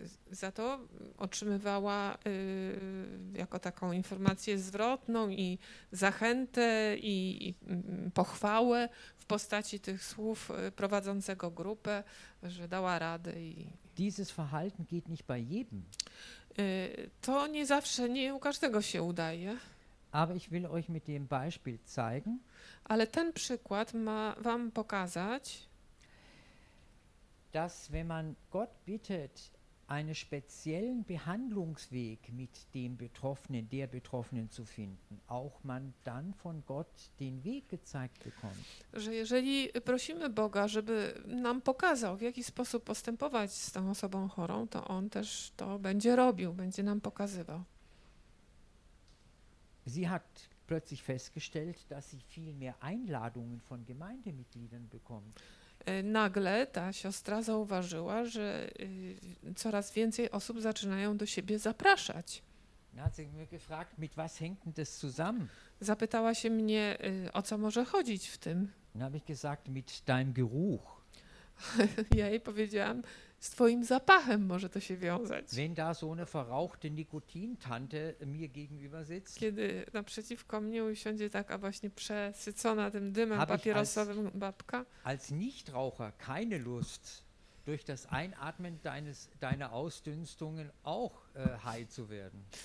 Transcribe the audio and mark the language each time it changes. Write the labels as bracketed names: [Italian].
[Polish] Za to otrzymywała jako taką informację zwrotną i zachętę i pochwałę w postaci tych słów prowadzącego grupę, że dała radę i [German] dieses Verhalten geht nicht bei jedem. [Polish] To nie zawsze, nie u każdego się udaje. [German] Aber ich will euch mit dem Beispiel zeigen. [Polish] Ale ten przykład ma wam pokazać, [German] dass wenn man Gott bittet, einen speziellen Behandlungsweg mit dem Betroffenen, der Betroffenen zu finden, auch man dann von Gott den Weg gezeigt bekommt. [Polish] Że jeżeli prosimy Boga, żeby nam pokazał, w jaki sposób postępować z tą osobą chorą, to On też to będzie robił, będzie nam pokazywał. [German] Sie hat plötzlich festgestellt, dass sie viel mehr Einladungen von Gemeindemitgliedern bekommt. [Polish] Nagle ta siostra zauważyła, że coraz więcej osób zaczynają do siebie zapraszać. [German] Hat sie mich gefragt, mit was hängt denn das zusammen? [Polish] Zapytała się mnie, o co może chodzić w tym. [German] Dann habe ich gesagt, mit deinem Geruch. [Polish] Ja jej powiedziałam, z twoim zapachem może to się wiązać. [German] Wenn da so eine verrauchte Nikotintante mir gegenüber sitzt. [Polish] Kiedy naprzeciwko mnie usiądzie taka właśnie przesycona tym dymem papierosowym babka. [German] Als Nichtraucher keine Lust, durch das Einatmen deiner Ausdünstungen auch high zu werden.